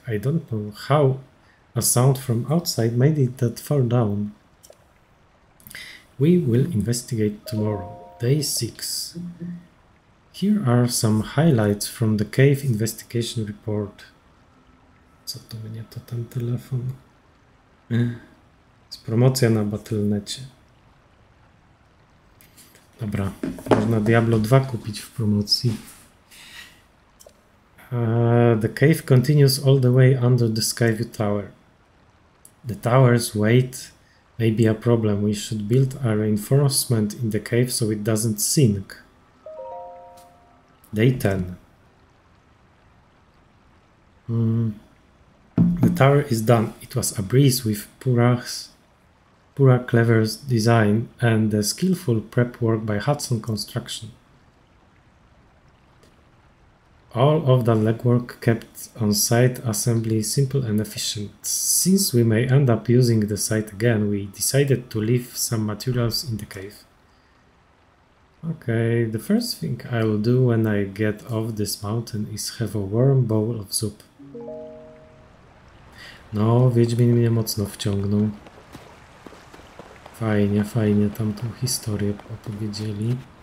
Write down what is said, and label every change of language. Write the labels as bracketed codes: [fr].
[en] I don't know how a sound from outside made it that far down. We will investigate tomorrow. Day 6. Here are some highlights from the cave investigation report. [pl] Co to mnie to ten telefon? Jest promocja na Battle.necie. Dobra, można Diablo 2 kupić w promocji. [en] The cave continues all the way under the Skyview Tower. The tower's weight may be a problem. We should build a reinforcement in the cave so it doesn't sink. Day 10. The tower is done. It was a breeze with Pura Clever's design and the skillful prep work by Hudson Construction. All of the legwork kept on-site assembly simple and efficient. Since we may end up using the site again, we decided to leave some materials in the cave. Okay, the first thing I will do when I get off this mountain is have a warm bowl of soup. [pl] No, Wiedźmin mnie mocno wciągnął. Fajnie, fajnie tam tą historię opowiedzieli.